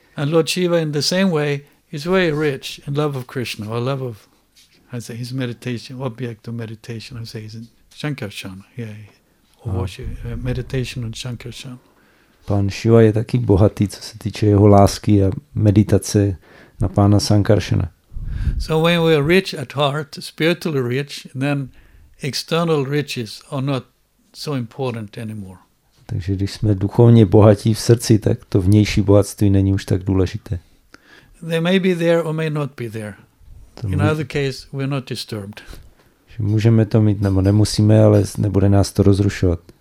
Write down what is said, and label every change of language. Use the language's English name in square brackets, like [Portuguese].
[English] And Lord Shiva, in the same way, is very rich in love of Krishna, or love of, I say, his meditation, object of meditation, I say, his Shankarshana, yeah. Meditation on Shankarshan. [Czech] Pán Shiva je taky bohatý, co se týče jeho lásky a meditace na pána Shankarshana. [English] So when we are rich at heart, spiritually rich, then external riches are not so important anymore. [Czech] Takže když jsme duchovně bohatí v srdci, tak to vnější bohatství není už tak důležité. [English] They may be there or may not be there. In other case, we're not disturbed. [Czech] Že můžeme to mít nebo nemusíme, ale nebude nás to rozrušovat.